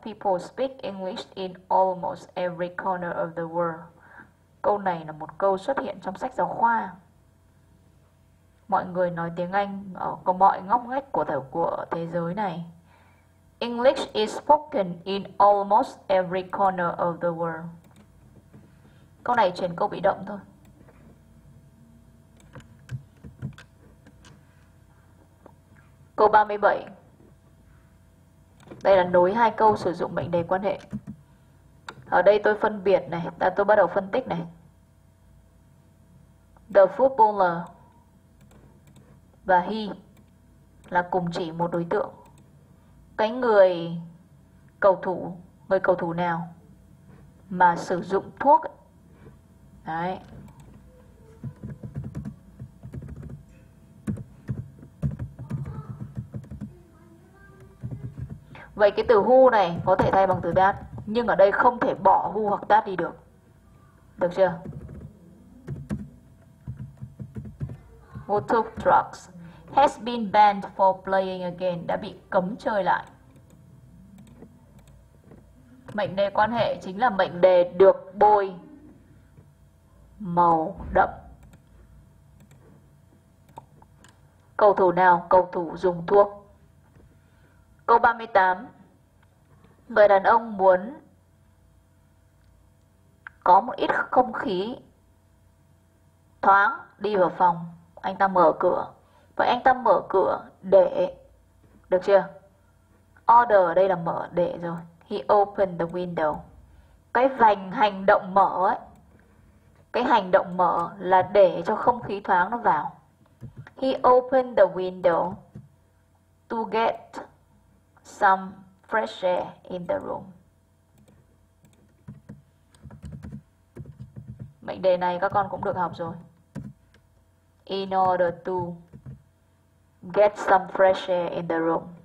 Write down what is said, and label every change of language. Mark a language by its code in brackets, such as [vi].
[en] People speak English in almost every corner of the world. [vi] Câu này là một câu xuất hiện trong sách giáo khoa. Mọi người nói tiếng Anh ở mọi ngóc ngách của thế giới này. [en] English is spoken in almost every corner of the world. [vi] Câu này chuyển câu bị động thôi. Câu 37. Đây là nối hai câu sử dụng mệnh đề quan hệ. Ở đây tôi phân biệt này, ta tôi bắt đầu phân tích này. The footballer và he là cùng chỉ một đối tượng. Cái người cầu thủ nào mà sử dụng thuốc đấy. Vậy cái từ who này có thể thay bằng từ that, nhưng ở đây không thể bỏ who hoặc that đi được. Được chưa? [en] Who took drugs has been banned for playing again, [vi] đã bị cấm chơi lại. Mệnh đề quan hệ chính là mệnh đề được bôi màu đậm. Cầu thủ nào? Cầu thủ dùng thuốc. Câu 38. Người đàn ông muốn có một ít không khí thoáng đi vào phòng. Anh ta mở cửa. Vậy anh ta mở cửa để... Được chưa? Order đây là mở để rồi. [en] He opened the window. [vi] Cái vành hành động mở ấy, cái hành động mở là để cho không khí thoáng nó vào. [en] He opened the window to get some fresh air in the room. [vi] Mệnh đề này các con cũng được học rồi. [en] In order to get some fresh air in the room.